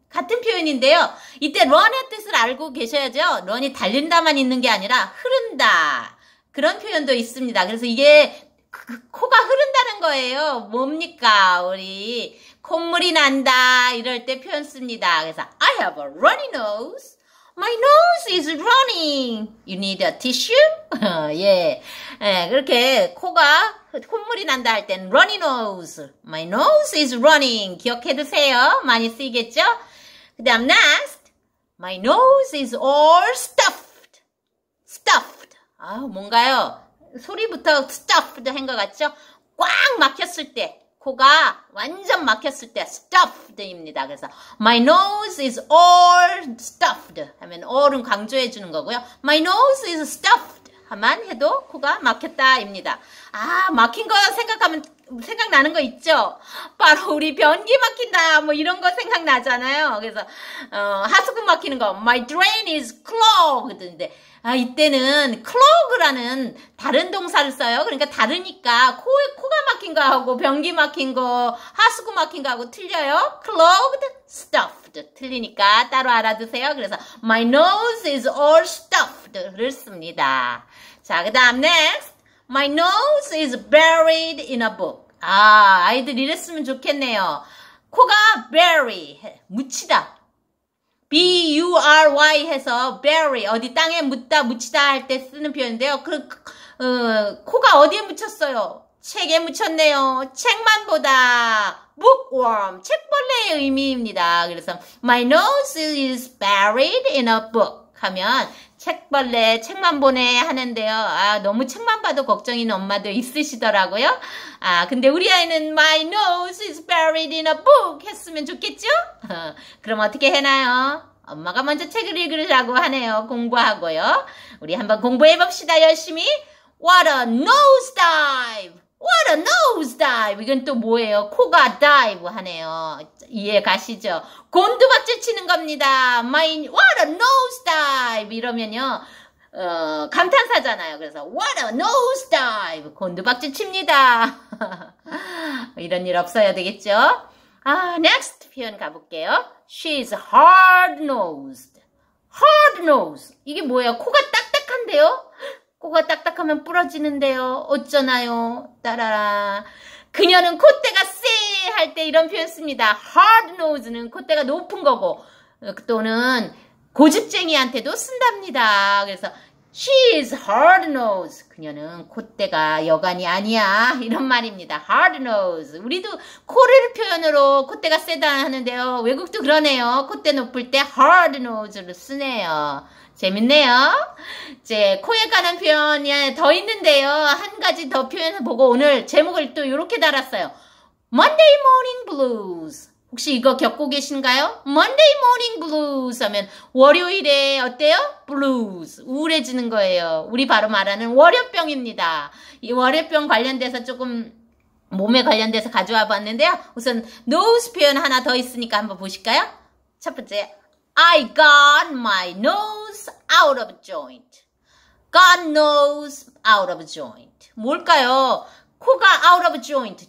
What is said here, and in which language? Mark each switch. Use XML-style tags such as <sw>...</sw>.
<ko>같은 표현인데요. 이때 run의 뜻을 알고 계셔야죠. run이 달린다만 있는 게 아니라 흐른다. 그런 표현도 있습니다. 그래서 이게 코가 흐른다는 거예요. 뭡니까? 우리 콧물이 난다 이럴 때 표현 씁니다.</ko> <en>그래서 I have a runny nose. My nose is running. You need a tissue?</en> <ko>예. 예, 그렇게 코가 콧물이 난다 할 땐 runny nose.</ko> <en>My nose is running.</en> <ko>기억해 두세요. 많이 쓰이겠죠? 그 다음 next.</ko> <en>My nose is all stuffed. Stuffed.</en> <ko>아, 뭔가요? 소리부터 stuffed 한 것 같죠? 꽉 막혔을 때, 코가 완전 막혔을 때 stuffed입니다. 그래서</ko> <en>My nose is all stuffed</en> <ko>하면 all은 강조해 주는 거고요.</ko> <en>My nose is stuffed</en> <ko>하면 해도 코가 막혔다입니다. 아, 막힌 거 생각하면 생각나는 거 있죠? 바로 우리 변기 막힌다 뭐 이런 거 생각나잖아요. 그래서 하수구 막히는 거</ko> <en>My drain is clogged</en> <ko>인데 아, 이때는 clog라는 다른 동사를 써요. 그러니까 다르니까 코가 막힌 거하고 변기 막힌 거, 하수구 막힌 거하고 틀려요.</ko> <en>clogged, stuffed.</en> <ko>틀리니까 따로 알아두세요. 그래서</ko> <en>My nose is all stuffed</en> <ko>를 씁니다. 자, 그 다음</ko> <en>next. My nose is buried in a book.</en> <ko>아, 아이들 이랬으면 좋겠네요. 코가 bury, 묻히다. B-U-R-Y 해서 bury, 어디 땅에 묻다, 묻히다 할 때 쓰는 표현인데요. 코가 어디에 묻혔어요? 책에 묻혔네요. 책만 보다. Bookworm, 책벌레의 의미입니다. 그래서</ko> <en>My nose is buried in a book</en> <ko>하면 책벌레, 책만 보네 하는데요. 아, 너무 책만 봐도 걱정인 엄마도 있으시더라고요. 아, 근데 우리 아이는</ko> <en>My nose is buried in a book</en> <ko>했으면 좋겠죠? 그럼 어떻게 해나요? 엄마가 먼저 책을 읽으라고 하네요. 공부하고요. 우리 한번 공부해봅시다. 열심히.</ko> <en>What a nose dive! What a nose dive!</en> <ko>이건 또 뭐예요? 코가 dive 하네요. 이해 가시죠? 곤두박질 치는 겁니다.</ko> <en>What a nose dive!</en> <ko>이러면요. 감탄사잖아요.</ko> <en>그래서 What a nose dive!</en> <ko>곤두박질 칩니다. 이런 일 없어야 되겠죠? 아, next 표현 가볼게요.</ko> <en>She's hard-nosed. Hard-nosed.</en> <ko>이게 뭐예요? 코가 딱딱한데요? 코가 딱딱하면 부러지는데요. 어쩌나요? 따라라. 그녀는 콧대가 쎄! 할 때 이런 표현 씁니다. Hard-nosed는 콧대가 높은 거고 또는 고집쟁이한테도 쓴답니다. 그래서</ko> <en>She is hard-nosed.</en> <ko>그녀는 콧대가 여간이 아니야. 이런 말입니다. Hard-nosed. 우리도 코를 표현으로 콧대가 세다 하는데요. 외국도 그러네요. 콧대 높을 때 hard-nosed로 쓰네요. 재밌네요. 이제 코에 관한 표현이 더 있는데요. 한 가지 더 표현을 보고 오늘 제목을 또 이렇게 달았어요.</ko> <en>Monday morning blues.</en> <ko>혹시 이거 겪고 계신가요? Monday morning blues 하면 월요일에 어때요? blues, 우울해지는 거예요. 우리 바로 말하는 월요병입니다. 이 월요병 관련돼서 조금 몸에 관련돼서 가져와 봤는데요. 우선 nose 표현 하나 더 있으니까 한번 보실까요?</ko> <en>첫 번째, I got my nose out of joint. Got nose out of joint.</en> <ko>뭘까요?</ko> <en>코가 out of joint.</en>